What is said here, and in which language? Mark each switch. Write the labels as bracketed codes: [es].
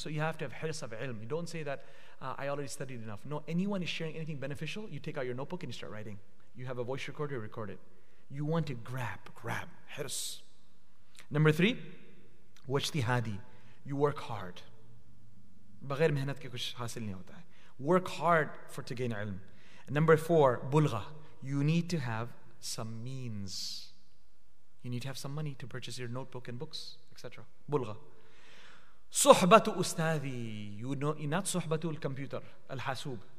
[en] So you have to have hirs of ilm. You don't say that, I already studied enough. No, anyone is sharing anything beneficial, you take out your notebook and you start writing. You have a voice recorder, you record it. You want to grab, hirs. Number three, wajtihadi. You work hard. [ur] بغیر محنت کے کچھ حاصل نہیں ہوتا ہے۔ [en] Work hard for to gain ilm. Number four, bulgha. You need to have some means. You need to have some money to purchase your notebook and books, etc. Bulgha. [ar] Suhbatu ustadi. [en] You know, not suhbatu al-computer, al-hasub.